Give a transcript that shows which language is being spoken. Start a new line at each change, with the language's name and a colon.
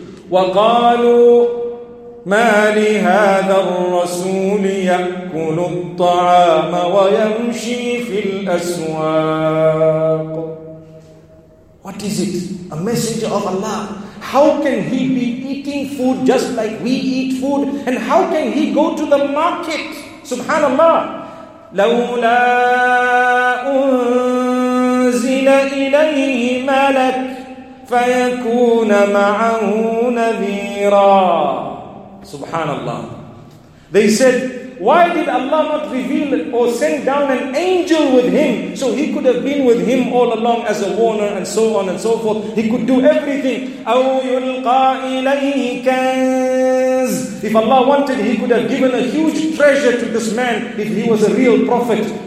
Arabic: وَقَالُوا مَا لِهَذَا الرَّسُولِ يَأْكُلُ الطَّعَامَ وَيَمْشِي فِي الْأَسْوَاقِ.
English: What is it? A messenger of Allah. How can he be eating food just like we eat food? And how can he go to the market? Subhanallah.
Arabic: لولا أنزل إليه ملك فيكون معه نذيرا.
English: Subhanallah. They said, why did Allah not reveal or send down an angel with him? So he could have been with him all along as a warner and so on and so forth. He could do everything.
Arabic: أَوْ يُلْقَى إِلَيْهِ كَنْزِ.
English: If Allah wanted, he could have given a huge treasure to this man if he was a real prophet.